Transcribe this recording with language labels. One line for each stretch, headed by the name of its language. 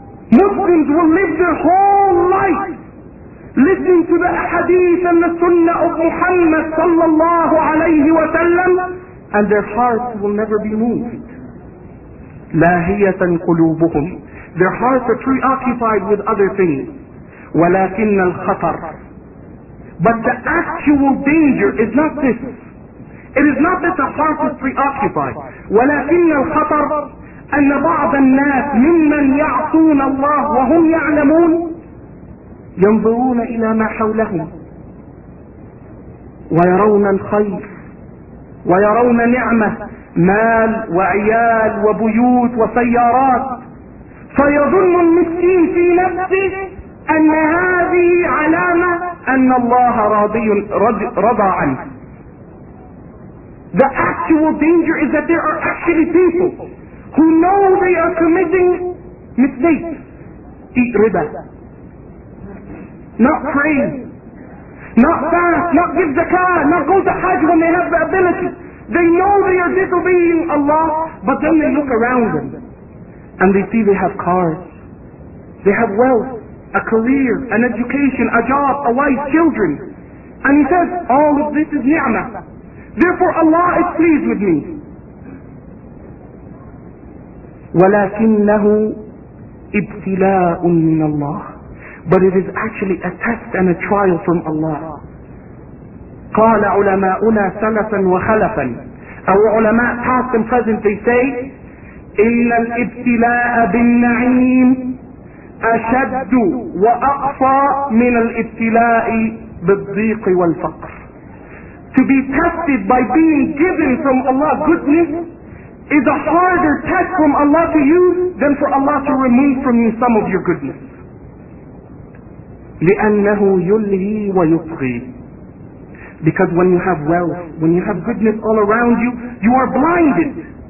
English: Muslims will live their whole life listening to the hadith and the sunnah of Muhammad sallallahu alayhi wa sallam, and their hearts will never be moved.
Arabic: لاهيةً قلوبهم.
English: Their hearts are preoccupied with other things.
Arabic: ولكن الخطر.
English: But the actual danger is not this. It is not that the heart is preoccupied.
Arabic: ولكن الخطر أن بعض الناس ممن يعصون الله وهم يعلمون ينظرون إلى ما حولهم ويرون الخير ويرون نعمة مال وعيال وبيوت وسيارات فيظن المسكين في نفسه أن هذه علامة أن الله رضى عنه.
English: The actual danger is that there are actually people who know they are committing mistakes. eat riba. Not pray. Not fast. Not give zakah. Not go to hajj when they have the ability. They know they are disobeying Allah, but then they look around them and they see they have cars. They have wealth, a career, an education, a job, a wife, children. And he says, all of this is ni'mah. Therefore Allah is pleased with me.
Arabic: وَلَكِنَّهُ إِبْتِلَاءٌ مِّنَ اللَّهِ.
English: But it is actually a test and a trial from Allah.
Arabic: قَالَ عُلَمَاؤُنَا سَلَفًا وَخَلَفًا.
English: Our ulama, past and present, they say,
Arabic: إِنَّ الْإِبْتِلَاءَ بِالنَّعِيمِ أَشَدُّ وَأَقْصَى مِنَ الْإِبْتِلَاءِ بِالضِّيقِ وَالْفَقْرِ.
English: To be tested by being given from Allah goodness is a harder test from Allah to you than for Allah to remove from you some of your goodness.
Arabic: لِأَنَّهُ يُلْهِي وَيُطْغِي.
English: Because when you have wealth, when you have goodness all around you, you are blinded.